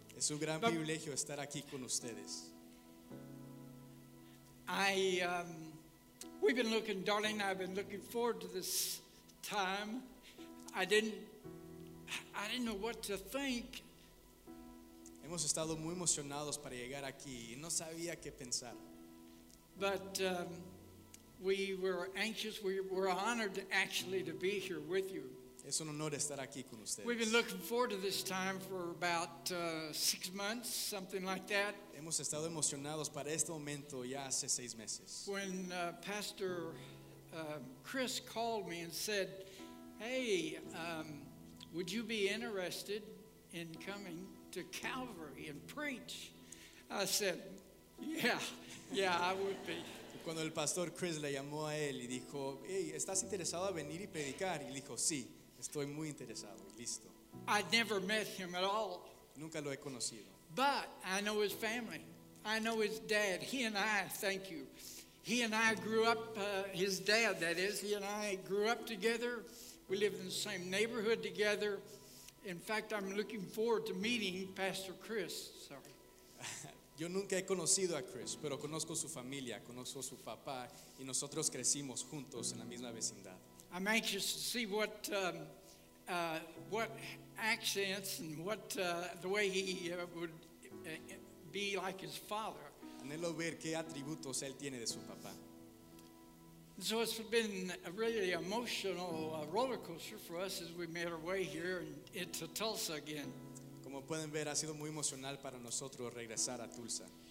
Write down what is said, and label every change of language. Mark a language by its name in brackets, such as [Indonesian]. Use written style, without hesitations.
[Spanish] Es un gran privilegio estar aquí con ustedes. [English] We've been looking, darling, I've been looking forward to this time. I didn't know what to think. [Spanish] Hemos estado muy emocionados para llegar aquí y no sabía qué pensar. [English] But we were anxious. We were honored, actually, to be here with you. [Spanish] Es un honor estar aquí con ustedes. [English] We've been looking forward to this time for about 6 months, something like that. [Spanish] Hemos estado emocionados para este momento ya hace 6 meses. [English] When Pastor Chris called me and said, "Hey, would you be interested in coming to Calvary and preach?" I said, yeah, I would be. [Spanish] Cuando el pastor Chris le llamó a él y dijo, "Hey, ¿estás interesado a venir y predicar?" Y dijo, "Sí, estoy muy interesado y listo." [English] I'd never met him at all. [Spanish] Nunca lo he conocido. [English] But I know his family. I know his dad. He and I, thank you. He and I grew up, his dad, that is, he and I grew up together. We live in the same neighborhood together. In fact, I'm looking forward to meeting Pastor Chris. Sorry. [Spanish] Yo nunca he conocido a Chris, pero conozco su familia, conozco su papá, y nosotros crecimos juntos en la misma vecindad. [English] I'm anxious to see what accents and what the way he would be like his father. [Spanish] Anhelo ver qué atributos él tiene de su papá. [English] So it's been a really emotional roller coaster for us as we made our way here into Tulsa again. [Spanish] Como pueden ver, ha sido muy emocional para nosotros regresar a Tulsa.